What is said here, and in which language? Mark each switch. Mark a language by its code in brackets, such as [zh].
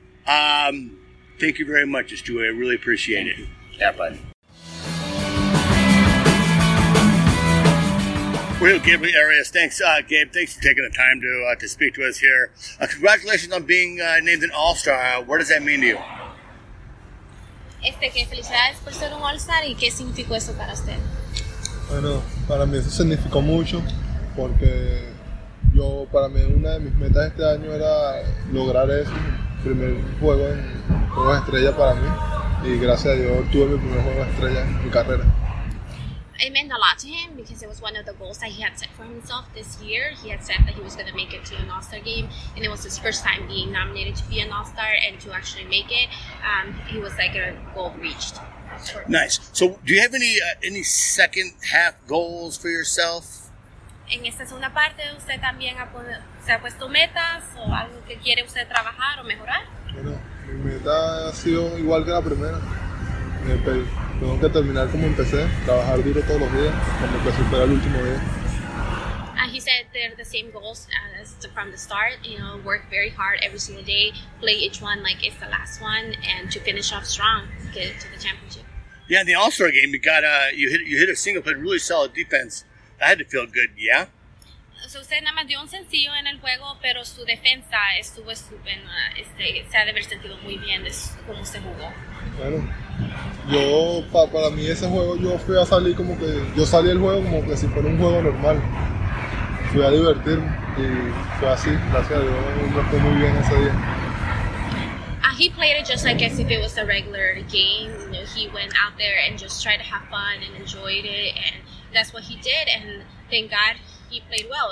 [en] Thank you very much, Stuart. I really appreciate it. Yeah, bud. Real Gabriel Arias, thanks, Gabe. Thanks for taking the time to speak to us here. Congratulations on being named an All-Star. What does that mean to you? [es] Que felicidades por ser un All-Star y qué significó eso para usted. Bueno, para mí eso significó mucho porque yo, para mí, una de mis metas este año era lograr eso, primer juego en Juegos de Estrella para mí, y gracias a Dios tuve mi primer Juego de Estrella en mi carrera. [en] It meant a lot to him because it was one of the goals that he had set for himself this year. He had said that he was going to make it to an All-Star game, and it was his first time being nominated to be an All-Star and to actually make it. He was like a goal reached. Nice. So do you have any second half goals for yourself? [es] En esta segunda parte, ¿usted también se ha puesto metas o algo que quiere usted trabajar o mejorar? Bueno, mi meta ha sido igual que la primera. Tengo que terminar como empecé, trabajar duro todos los días, como que supera el último día. [en] He said they're the same goals as from the start, you know, work very hard every single day, play each one like it's the last one, and to finish off strong, get to the championship. Yeah, in the All-Star game, you hit a single, played really solid defense. That had to feel good, yeah? [es] So usted nada más dio un sencillo en el juego, pero su defensa estuvo estupendo, se ha de haber sentido muy bien de cómo se jugó. Bueno, yo, para mí ese juego, yo fui a salir como que, yo salí del juego como que si fuera un juego normal. Fui a divertirme y fue así, gracias a Dios, me fue muy bien ese día. [en] He played it just like as if it was a regular game. You know, he went out there and just tried to have fun and enjoyed it, and that's what he did, and thank God he played well.